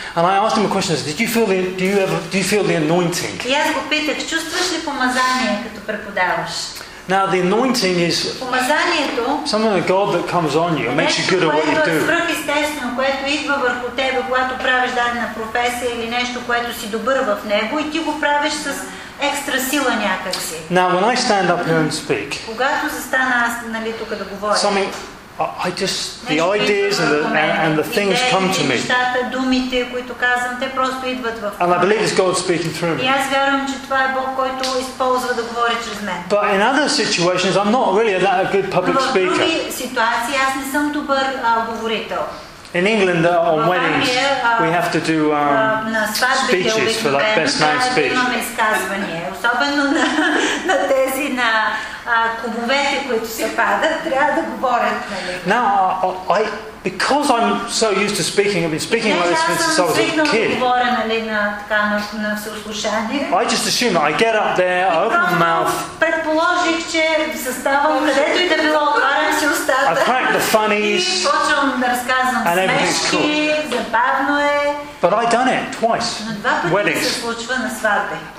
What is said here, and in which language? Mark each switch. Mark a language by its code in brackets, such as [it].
[en] And I asked him a question: Do you feel the anointing? [bg] И аз го питах: чувстваш ли помазание като преподаваш? [en] Now the anointing is something of God that comes on you, makes you good at what you do. [bg] Свръхестествено, което идва върху тебе, когато правиш дадена професия или нещо, което си добър в него и ти го правиш с екстра сила някак си. [en] Now when I stand up here and speak. [bg] Когато застана аз, нали, тук да говоря. [en] Something I just the ideas and the things come to me. [bg] Думите, които казвам, те просто идват в мен. [en] And I believe it's God speaking through me. [bg] И аз вярвам, че това е Бог, който използва да говори чрез мен. [en] But in other situations, I'm not really that a good public speaker. [bg] В други ситуации аз не съм добър говорител. [en] In England, on weddings, we have to do speeches for like best man speech. [bg] Имаме изказвания, особено на тези на кубовете, които се падат, трябва да говорят, нали? [en] Now, because I'm so used to speaking, I've been speaking like this since I was a kid. [bg] Аз съм свикнал да говоря, нали, на всеуслушание. [en] I just assume I get up there, I open my mouth. [bg] Предположих, че заставам където и да било, отварям си устата. [en] I crack the funnies. [bg] И почвам да разказвам смешки. [en] And everything's cool. [bg] Забавно е. [en] But I done it twice. Weddings. [bg] На два пъти се случва на сватби.